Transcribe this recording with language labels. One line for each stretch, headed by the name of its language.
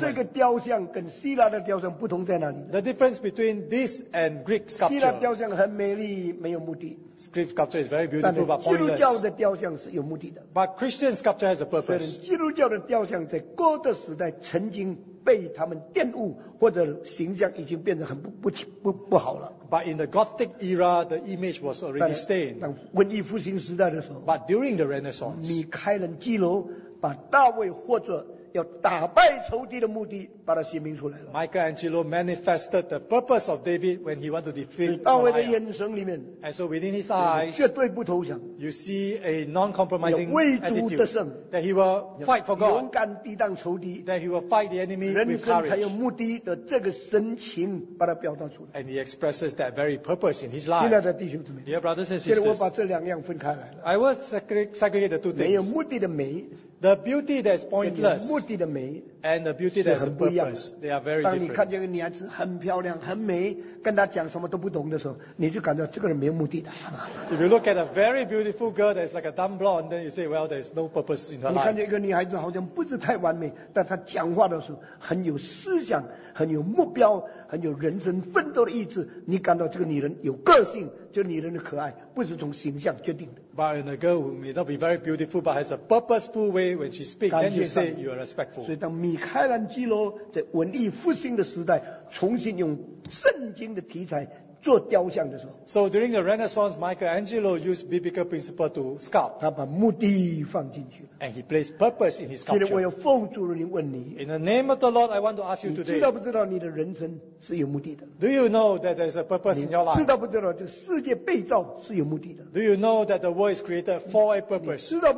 Chinese: 这个雕像跟希腊的雕像不同在哪里?
English: The difference between this and Greek sculpture.
Chinese: 希腊雕像很美丽, 没有目的。
English: Greek sculpture is very beautiful but pointless.
Chinese: 基督教的雕像是有目的的。
English: But Christian sculpture has a purpose.
Chinese: 基督教的雕像在哥德时代曾经被他们玷污, 或者形象已经变得很不好了。
English: But in the Gothic era, the image was already stained.
Chinese: 文艺复兴时代的时候,
English: But during the Renaissance,
Chinese: 米开朗基罗把大卫或者要打败仇敌的目的，把他显明出来了。
English: Michelangelo manifested the purpose of David when he wanted to defeat Goliath.
Chinese: 大卫的眼神里面,
English: and so within his eyes,
Chinese: 绝对不投降,
English: you see a non-compromising attitude that he will fight for God,
Chinese: 勇敢抵挡仇敌,
English: that he will fight the enemy with courage. And he expresses that very purpose in his life.
Chinese: 亲爱的弟兄姊妹,
English: dear brothers and sisters,
Chinese: 现在我把这两样分开来了,
English: I will segregate the two things.
Chinese: 没有目的的美,
English: the beauty that is pointless
Chinese: 跟你目的的美,
English: and the beauty that has a purpose, they are very different.
Chinese: 当你看见个女孩子很漂亮很美, 跟她讲什么都不懂的时候，你就感到这个人没有目的的。
English: If you look at a very beautiful girl that is like a dumb blonde, then you say, well, there is no purpose in her life.
Chinese: 你看见一个女孩子好像不是太完美, 但她讲话的时候很有思想, 很有目标, 很有人生奋斗的意志, 你感到这个女人有个性, 这个女人的可爱, 不是从形象决定的。
English: But in a girl who may not be very beautiful but has a purposeful way when she speaks, then you say you are respectful.
Chinese: 所以当米开朗基罗在文艺复兴的时代重新用圣经的题材做雕像的时候,
English: so during the Renaissance, Michelangelo used biblical principle to sculpt.
Chinese: 他把目的放进去了,
English: and he placed purpose in his sculpture.
Chinese: 今天我要奉主的灵问你,
English: in the name of the Lord, I want to ask you today,
Chinese: 你知道不知道你的人生是有目的的?
English: Do you know that there is a purpose in your life?
Chinese: 你知道不知道这世界被造是有目的的?
English: Do you know that the world is created for a purpose?